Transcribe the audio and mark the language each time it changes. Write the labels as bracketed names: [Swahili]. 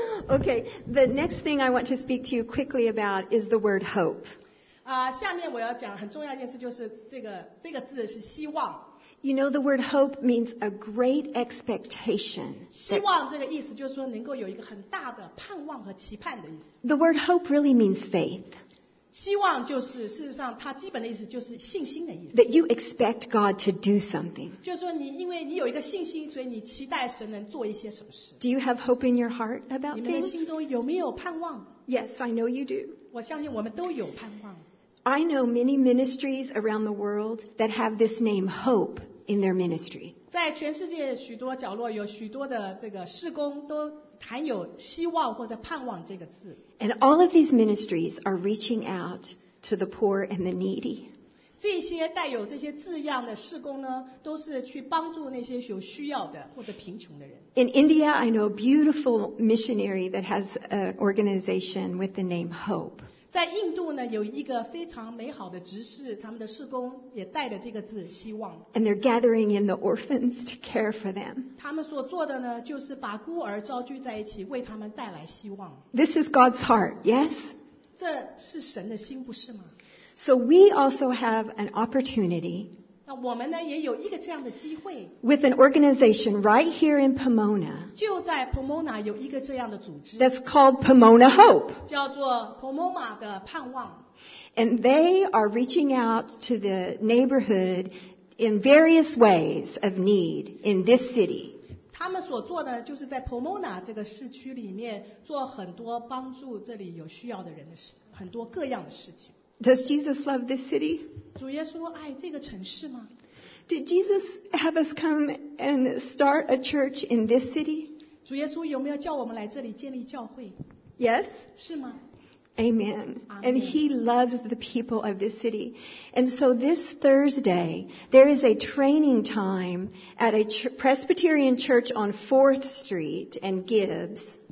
[English] Okay, the next thing I want to speak to you quickly about is the word hope. [Chinese] 下面我要讲很重要一件事，就是这个字是希望。 [English] You know, the word hope means a great expectation. [Chinese] 希望这个意思就是说能够有一个很大的盼望和期盼的意思。 [English] The word hope really means faith. [Chinese] 希望就是，事实上它基本的意思就是信心的意思。 [English] That you expect God to do something. [Chinese] 就是说你因为你有一个信心，所以你期待神能做一些什么事。 [English] Do you have hope in your heart about things? [Chinese] 你们的心中有没有盼望？ [English] Yes, I know you do. [Chinese] 我相信我们都有盼望。 [English] I know many ministries around the world that have this name hope in their ministry. [Chinese] 在全世界许多角落有许多的这个事工都 含有希望或者盼望这个字。 [English] And all of these ministries are reaching out to the poor and the needy. [Chinese] 这些带有这些字样的事工呢，都是去帮助那些有需要的或者贫穷的人。 [English] In India, I know a beautiful missionary that has an organization with the name Hope. [Chinese] 在印度呢，有一个非常美好的执事，他们的事工也带着这个字希望。 [English] And they're gathering in the orphans to care for them. [Chinese] 他们所做的呢，就是把孤儿召聚在一起，为他们带来希望。 [English] This is God's heart, yes? [Chinese] 这是神的心，不是吗？ [English] So we also have an opportunity. [Chinese] 那我们呢，也有一个这样的机会。 [English] With an organization right here in Pomona. [Chinese] 就在 Pomona 有一个这样的组织。 [English] That's called Pomona Hope. [Chinese] 叫做 Pomona 的盼望。 [English] And they are reaching out to the neighborhood in various ways of need in this city. [Chinese] 他们所做的就是在 Pomona 这个市区里面做很多帮助这里有需要的人的事，很多各样的事情。 [English] Does Jesus love this city? [Chinese] 主耶稣爱这个城市吗？ [English] Did Jesus have us come and start a church in this city? [Chinese] 主耶稣有没有叫我们来这里建立教会？ [English] Yes. [Chinese] 是吗？ [English] Amen. And he loves the people of this city. And so this Thursday, there is a training time at a Presbyterian church on 4th Street and Gibbs.